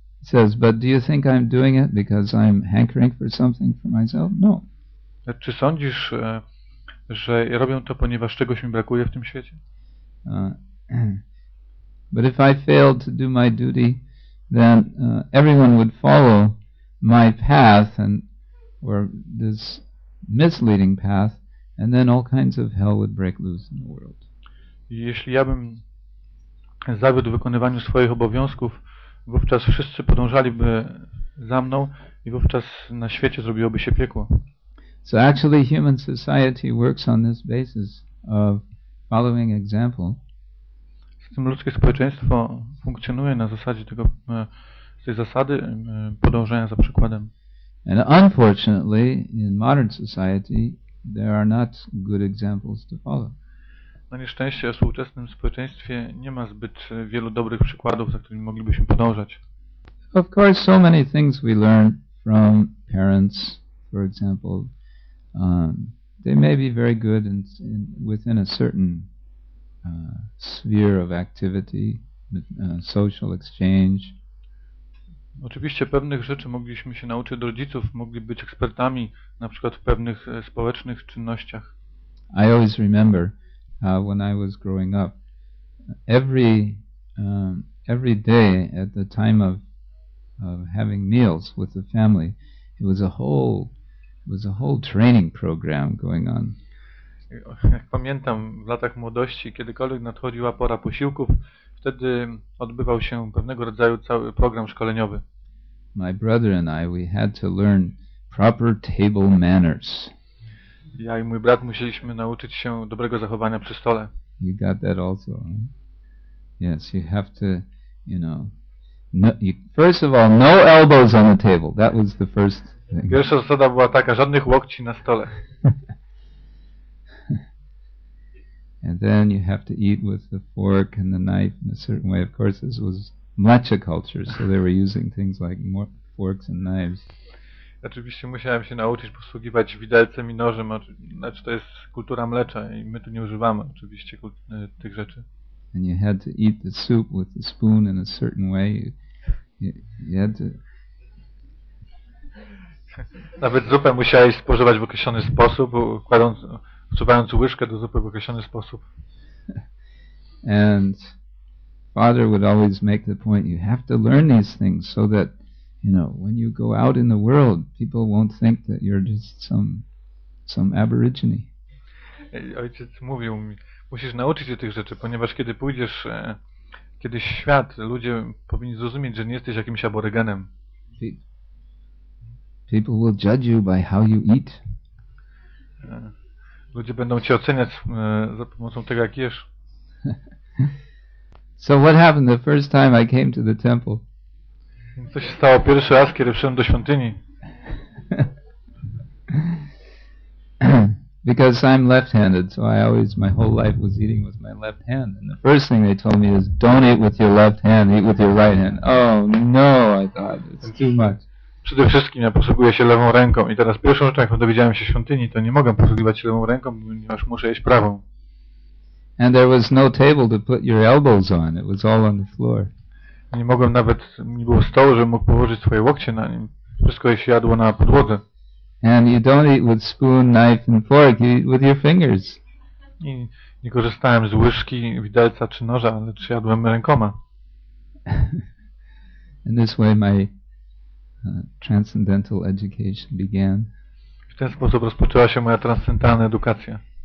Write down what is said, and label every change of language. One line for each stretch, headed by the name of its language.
English: He says, but do you think I'm doing it because I'm hankering for something for myself? No.
Polish: Czy sądzisz, że robię to, ponieważ czegoś mi brakuje w tym świecie?
English: But if I failed to do my duty, then everyone would follow my path and or this misleading path, and then all kinds of hell would break loose in the world.
Polish: Jeśli ja bym zawiódł w wykonywaniu swoich obowiązków, wówczas wszyscy podążaliby za mną i wówczas na świecie zrobiłoby się piekło.
English: So actually human society works on this basis of following example.
Polish: Zatem ludzkie społeczeństwo funkcjonuje na zasadzie tej zasady podążania za przykładem.
English: And unfortunately in modern society there are not good examples to follow.
Polish: Na nieszczęście w współczesnym społeczeństwie nie ma zbyt wielu dobrych przykładów, za którymi moglibyśmy podążać.
English: Of course so many things we learn from parents, for example. They may be very good in within a certain sphere of activity, social exchange.
Polish: Oczywiście pewnych rzeczy mogliśmy się nauczyć od rodziców, mogli być ekspertami na przykład w pewnych społecznych czynnościach.
English: I always remember how when I was growing up, every day at the time of having meals with the family, it was a whole training program going on.
Polish: Jak pamiętam, w latach młodości, kiedykolwiek nadchodziła pora posiłków, wtedy odbywał się pewnego rodzaju cały program szkoleniowy.
English: My brother and I, we had to learn proper table manners.
Polish: Ja i mój brat musieliśmy nauczyć się dobrego zachowania przy stole.
English: You got that also, huh? Yes, you have to, you know, no, you, first of all, no elbows on the table. That was the first thing.
Polish: Pierwsza zasada była taka, żadnych łokci na stole.
English: And then you have to eat with the fork and the knife in a certain way. Of course, this was Mlecha culture, so they were using things like forks and knives.
Polish: Oczywiście musiałem się nauczyć posługiwać widelcem i nożem. Znaczy, to jest kultura mlecza i my tu nie używamy oczywiście tych rzeczy.
English: And you had to eat the soup with the spoon in a certain way. You had to...
Polish: Nawet zupę musiałeś spożywać w określony sposób, wsuwając łyżkę do zupy w określony sposób.
English: And father would always make the point, you have to learn these things so that, you know, when you go out in the world, people won't think that you're just some aborigine.
Polish: Ojciec mówił mi, musisz nauczyć się tych rzeczy, ponieważ kiedy pójdziesz kiedyś w świat, ludzie powinni zrozumieć, że nie jesteś jakimś aborygenem.
English: People will judge you by how you eat.
Polish: Ludzie będą cię oceniać za pomocą tego, jak jesz.
English: So what happened the first time I came to the temple?
Polish: Co się stało pierwszy raz, kiedy wszedłem do świątyni?
English: Because I'm left-handed, so I always, my whole life was eating with my left hand. And the first thing they told me is, don't eat with your left hand, eat with your right hand. Oh no, I thought, it's too much.
Polish: Przede wszystkim ja posługuję się lewą ręką i teraz pierwszą rzeczą, jak dowiedziałem się w świątyni, to nie mogę posługiwać się lewą ręką, ponieważ muszę jeść prawą.
English: And there was no table to put your elbows on, it was all on the floor.
Polish: Nie mogłem nawet, nie było stołu, żebym mógł położyć swoje łokcie na nim. Wszystko się jadło na podłodze.
English: And you don't eat with spoon, knife and fork, you eat with your fingers.
Polish: I nie korzystałem z łyżki, widelca czy noża, lecz jadłem rękoma.
English: In this way my transcendental education began.
Polish: W ten sposób rozpoczęła się moja transcendentalna edukacja.